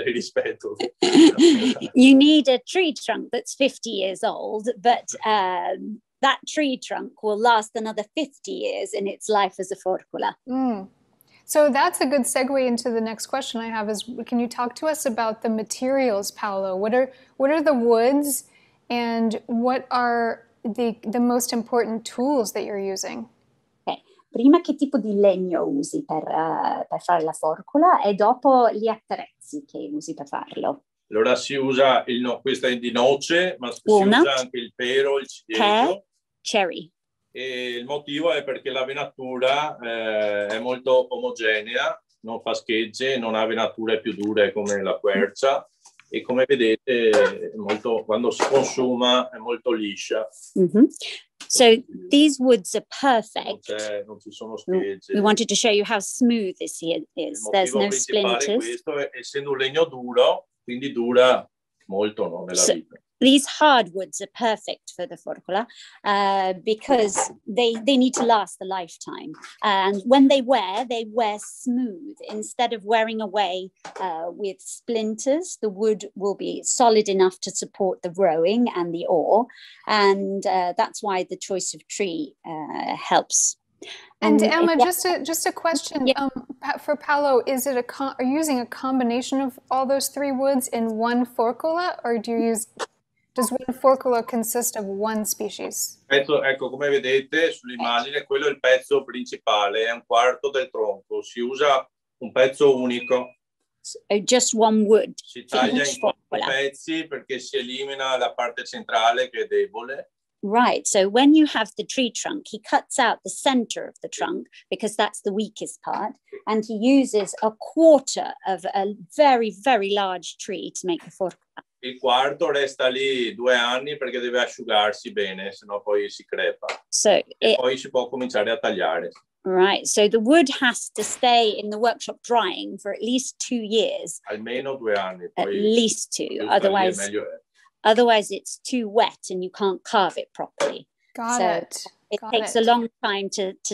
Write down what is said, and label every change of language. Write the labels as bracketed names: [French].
[Italian] rispetto. [English] You need a tree trunk that's 50 years old, but that tree trunk will last another 50 years in its life as a forcola. Mm. So that's a good segue into the next question I have is, can you talk to us about the materials, Paolo? What are the woods and what are the most important tools that you're using? [Italian] Prima che tipo di legno usi per fare la forcola e dopo gli attrezzi che usi per farlo. Allora si usa questa è di noce, ma Walnut. Si usa anche il pero, il ciliegio. [English] Cherry. [Italian] E il motivo è perché la venatura è molto omogenea, non fa schegge, non ha venature più dure come la quercia. E come vedete, quando si consuma, è molto liscia. [English] Mm-hmm. So these woods are perfect. [Italian] Non ci sono schegge. [English] We wanted to show you how smooth this here is. There's no splinters. [Italian] Questo, essendo un legno duro, quindi dura molto, no, nella vita. [English] These hardwoods are perfect for the forcola because they need to last a lifetime. And when they wear smooth. Instead of wearing away with splinters, the wood will be solid enough to support the rowing and the oar. And that's why the choice of tree helps. And Emma, just a question for Paolo, is it are you using a combination of all those three woods in one forcola, or do you use... Does one forcola consist of one species? [Italian] Ecco, come vedete sull'immagine, quello è il pezzo principale, è un quarto del tronco. Si usa un pezzo unico. [English] So, just one wood. [Italian] Si taglia in 4 pezzi perché si elimina la parte centrale che è debole. [English] Right. So when you have the tree trunk, he cuts out the center of the trunk because that's the weakest part. And he uses a quarter of a very, very large tree to make the forcola. [Italian] Il quarto resta lì 2 anni perché deve asciugarsi bene, sennò poi si crepa. [English] So [Italian] e poi si può cominciare a tagliare. [English] Right. So the wood has to stay in the workshop drying for at least 2 years. [Italian] Almeno 2 anni. Poi [English] at least two. Otherwise. Otherwise, it's too wet and you can't carve it properly. It takes a long time to